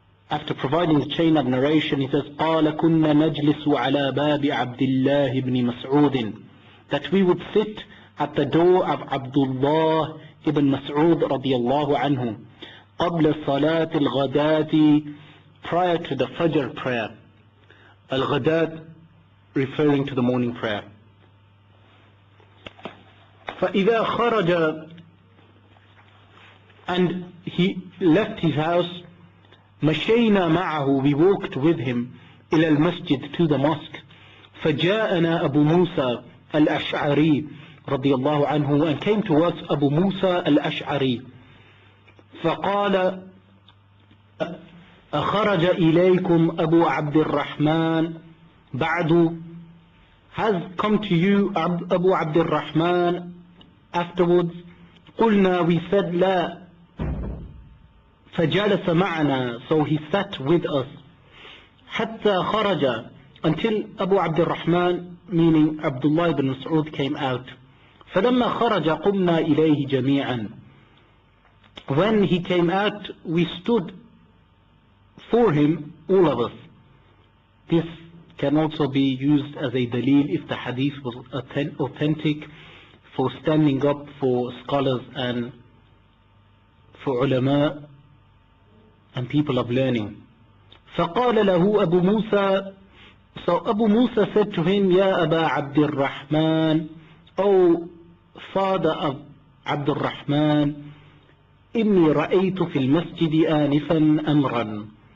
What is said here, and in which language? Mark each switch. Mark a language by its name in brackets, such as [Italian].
[English] After providing the chain of narration, he says [Arabic] قال كنا نجلس على باب عبد الله بن مسعود, [English] that we would sit at the door of عبد الله بن مسعود [Arabic] رضي الله عنه قبل صلاة الغداة, [English] prior to the Fajr prayer. الغداة referring to the morning prayer. [Arabic] فإذا خرج, [English] and he left his house, [Arabic] مشينا معه, [English] we walked with him, [Arabic] إلى المسجد, [English] to the mosque, [Arabic] فجاءنا أبو موسى الأشعري رضي الله عنه, [English] and came to us [Arabic] أبو موسى الأشعري, فقال أخرج إليكم أبو عبد الرحمن بعد, [English] has come to you [Arabic] أبو عبد الرحمن [English] afterwards, [Arabic] قلنا, [English] we said [Arabic] لا, فجلس معنا, [English] so he sat with us, [Arabic] حتى خرج, [English] until أبو عبد الرحمن, meaning عبد الله بن مسعود, came out, [Arabic] فلما خرج قمنا إليه جميعا, [English] when he came out, we stood for him, all of us. This can also be used as a دليل if the hadith was authentic, for standing up for scholars and for ulama and people of learning. [Arabic] فقال له أبو موسى, [English] so Abu Musa said to him, Ya Aba Abdul Rahman, O father of Abdul Rahman, [Arabic] إِنِّي رَأَيْتُ فِي الْمَسْجِدِ آنِفًا أَمْرًا.